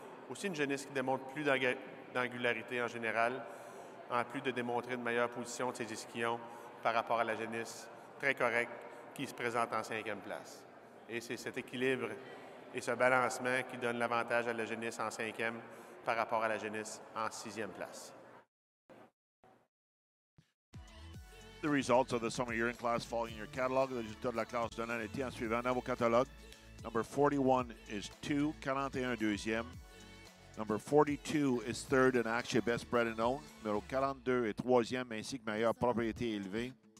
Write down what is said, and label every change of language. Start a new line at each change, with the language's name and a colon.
French: Aussi une génisse qui démontre plus d'angularité en général, en plus de démontrer une meilleure position de ses ischions par rapport à la génisse très correcte qui se présente en cinquième place. Et c'est cet équilibre et ce balancement qui donne l'avantage à la génisse en cinquième par rapport à la génisse en sixième place.
English: The results of the summer yearling class following your catalog.
French: The résultat de la classe d'un an été en suivant dans vos catalogues.
English: Number 41 is 2, 41
French: deuxième.
English: Number 42 is 3rd and actually best bred and owned.
French: Numéro 42 est troisième ainsi que meilleure propriété élevée.